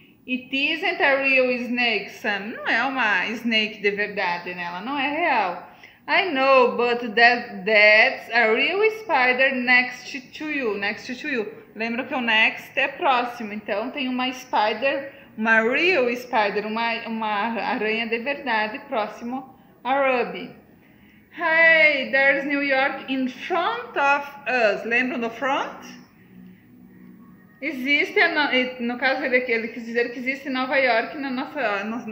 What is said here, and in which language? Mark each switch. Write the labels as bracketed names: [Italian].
[English] It isn't a real snake, Sam. [Portuguese] Não é uma snake de verdade, né? Ela não é real. [English] I know, but that's a real spider next to you, next to you. [Portuguese] Lembra que o next é próximo, então tem uma spider, uma real spider, uma aranha de verdade próximo a Ruby. [English] Hey, there's New York in front of us. [Portuguese] Lembra no front? Existe, no caso ele quis dizer que existe Nova York na nossa.